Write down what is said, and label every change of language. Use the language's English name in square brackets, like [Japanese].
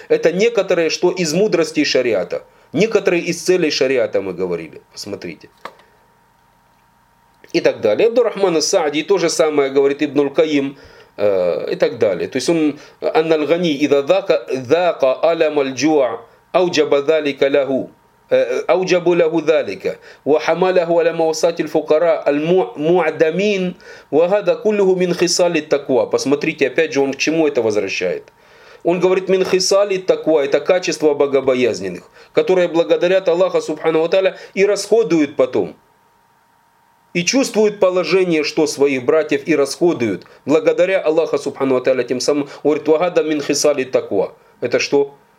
[Russian] Это некоторое, что из мудрости шариата. Некоторые из целей шариата мы говорили. Посмотрите. И так далее. Абдур-Рахман ас-Саади то же самое говорит Ибн Аль-Каим. И так далее. То есть он: [Arabic] «Анна аль-гани иза дзака алям аль-джуа ауджаба дзалика лаху». أوجب له ذلك وحمله على موصات الفقراء المعدمين وهذا كله من خصال التقوى. [Russian] Посмотрите, опять же, он к чему это возвращает. Он говорит: «Мин хисали таква» – это качество богобоязненных, которые благодарят Аллаха Субханаху ва Тааля и расходуют потом. И чувствуют положение, что своих братьев и расходуют, благодаря Аллаху Субханаху ва Тааля тем самым. Говорит: «Вагада мин хисали таква». Это что?